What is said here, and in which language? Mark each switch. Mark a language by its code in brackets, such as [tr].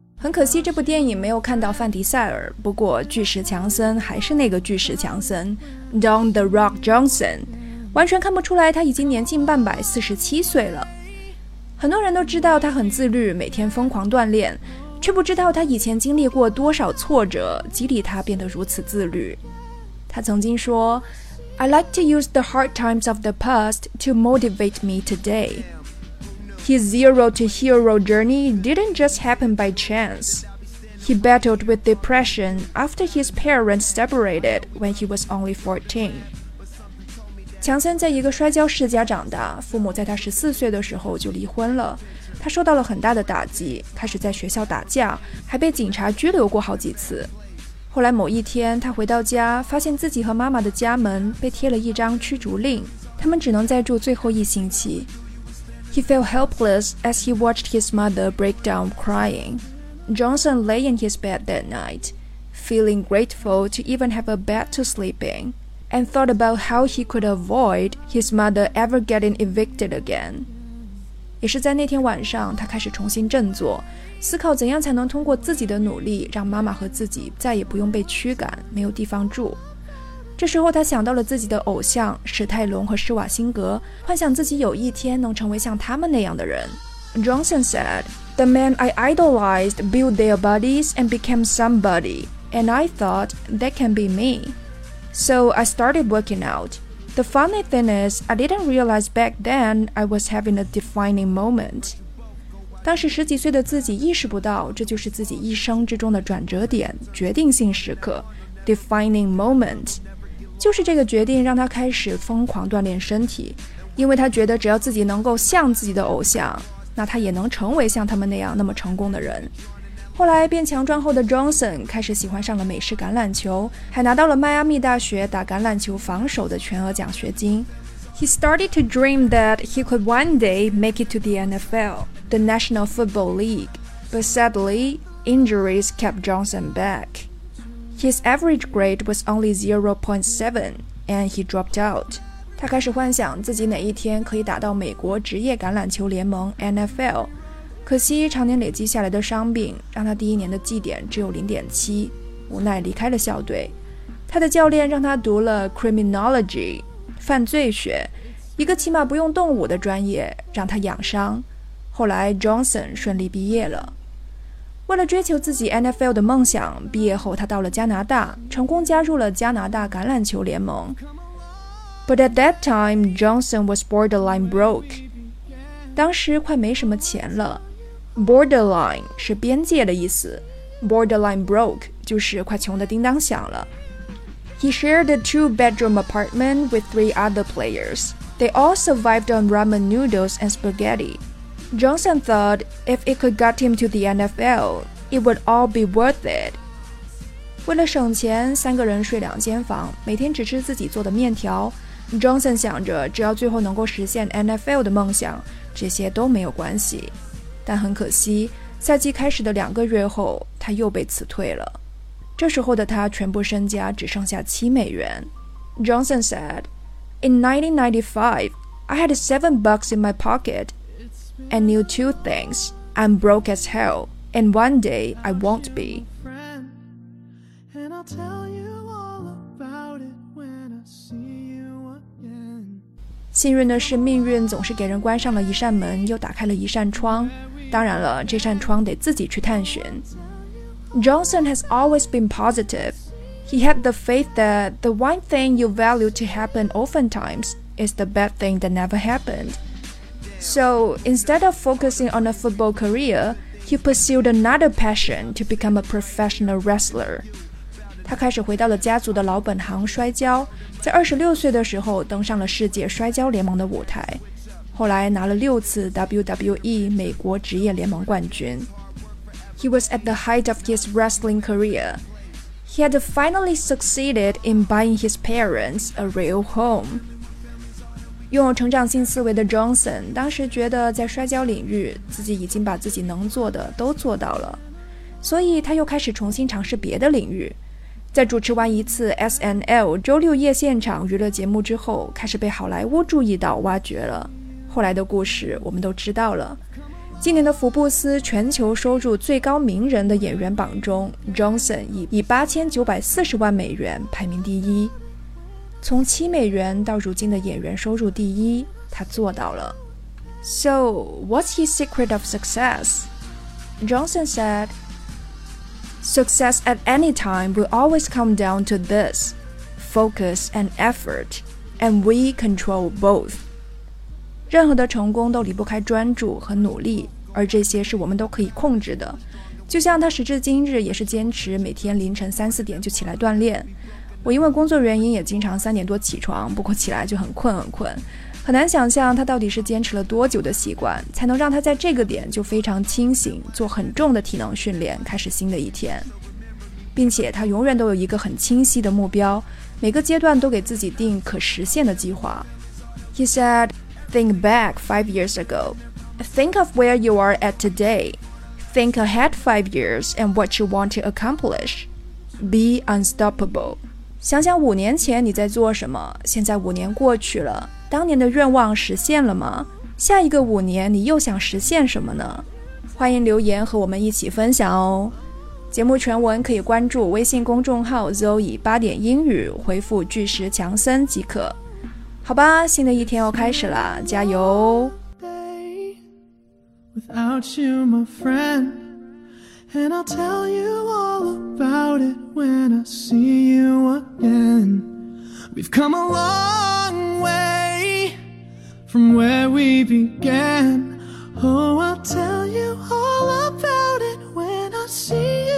[zh] 很可惜这部电影没有看到范迪塞尔，不过巨石强森还是那个巨石强森 Don The Rock Johnson， 完全看不出来他已经年近半百，47岁了。很多人都知道他很自律，每天疯狂锻炼，却不知道他以前经历过多少挫折，激励他变得如此自律。他曾经说 [en] I like to use the hard times of the past to motivate me today. His zero to hero journey didn't just happen by chance. He battled with depression after his parents separated when he was only 14. [zh] 强森在一个摔跤世家长大，父母在他14岁的时候就离婚了，他受到了很大的打击，开始在学校打架，还被警察拘留过好几次。后来某一天，他回到家，发现自己和妈妈的家门被贴了一张驱逐令，他们只能再住最后一星期。 [en] He felt helpless as he watched his mother break down crying. Johnson lay in his bed that night, feeling grateful to even have a bed to sleep in, and thought about how he could avoid his mother ever getting evicted again. [zh] 也是在那天晚上，他开始重新振作，思考怎样才能通过自己的努力，让妈妈和自己再也不用被驱赶，没有地方住。这时候他想到了自己的偶像史泰龙和施瓦辛格，幻想自己有一天能成为像他们那样的人。 [en] Johnson said, The men I idolized built their bodies and became somebody, and I thought that can be me. So I started working out. The funny thing is, I didn't realize back then I was having a defining moment. [zh] 当时十几岁的自己意识不到这就是自己一生之中的转折点，决定性时刻， [en] defining moment. [zh] 就是这个决定让他开始疯狂锻炼身体，因为他觉得只要自己能够像自己的偶像，那他也能成为像他们那样那么成功的人。后来变强壮后的 Johnson 开始喜欢上了美式橄榄球，还拿到了迈阿密大学打橄榄球防守的全额奖学金。 He started to dream that he could one day make it to the NFL, the National Football League, but sadly, injuries kept Johnson backHis average grade was only 0.7, and he dropped out. 他开始幻想自己哪一天可以打到美国职业橄榄球联盟 NFL. 可惜常年累积下来的伤病让他第一年的绩点只有 0.7, 无奈离开了校队。他的教练让他读了 criminology, 犯罪学，一个起码不用动武的专业，让他养伤。后来 Johnson 顺利毕业了。为了追求自己 NFL 的梦想，毕业后他到了加拿大，成功加入了加拿大橄榄球联盟。 [en] But at that time, Johnson was borderline broke. [zh] 当时快没什么钱了。 Borderline 是边界的意思。 [en] Borderline broke [zh] 就是快穷得叮当响了。 [en] He shared a two-bedroom apartment with three other players. They all survived on ramen noodles and spaghetti. Johnson thought if it could get him to the NFL, it would all be worth it. [zh] 为了省钱，三个人睡两间房，每天只吃自己做的面条。 Johnson 想着，只要最后能够实现 NFL 的梦想，这些都没有关系。但很可惜，赛季开始的两个月后，他又被辞退了。这时候的他全部身家只剩下$7。 [en] Johnson said, In 1995, I had $7 in my pocket. And knew two things. I'm broke as hell, and one day I won't be. And I'll tell you all about it when I see you again. [zh] 幸运的是，命运总是给人关上了一扇门，又打开了一扇窗。当然了，这扇窗得自己去探寻。 [en] Johnson has always been positive. He had the faith that the one thing you value to happen oftentimes is the bad thing that never happened. So, instead of focusing on a football career, he pursued another passion to become a professional wrestler. [zh] 他开始回到了家族的老本行摔跤，在26岁的时候登上了世界摔跤联盟的舞台，后来拿了六次 WWE 美国职业联盟冠军。 [en] He was at the height of his wrestling career. He had finally succeeded in buying his parents a real home. [zh] 拥有成长性思维的 Johnson 当时觉得在摔跤领域自己已经把自己能做的都做到了，所以他又开始重新尝试别的领域。在主持完一次 SNL 周六夜现场娱乐节目之后，开始被好莱坞注意到挖掘了。后来的故事我们都知道了。今年的福布斯全球收入最高名人的演员榜中， Johnson 以8940万美元排名第一。从7美元到如今的演员收入第一，他做到了。 [en] So, what's his secret of success? Johnson said, Success at any time will always come down to this, focus and effort, and we control both. [zh] 任何的成功都离不开专注和努力，而这些是我们都可以控制的。就像他时至今日也是坚持每天凌晨3-4点就起来锻炼。我因为工作原因也经常3点多起床，不过起来就很困很困，很难想象他到底是坚持了多久的习惯，才能让他在这个点就非常清醒，做很重的体能训练，开始新的一天。并且他永远都有一个很清晰的目标，每个阶段都给自己定可实现的计划。 [en] He said, Think back 5 years ago. Think of where you are at today. Think ahead 5 years and what you want to accomplish. Be unstoppable. [zh] 想想5年前你在做什么，现在5年过去了，当年的愿望实现了吗？下一个5年你又想实现什么呢？欢迎留言和我们一起分享哦。节目全文可以关注微信公众号 Zoe 八点英语，回复巨石强森即可。好吧，新的一天要开始了，加油。 [en] Without you my friendAnd I'll tell you all about it when I see you again. We've come a long way from where we began. Oh, I'll tell you all about it when I see you again.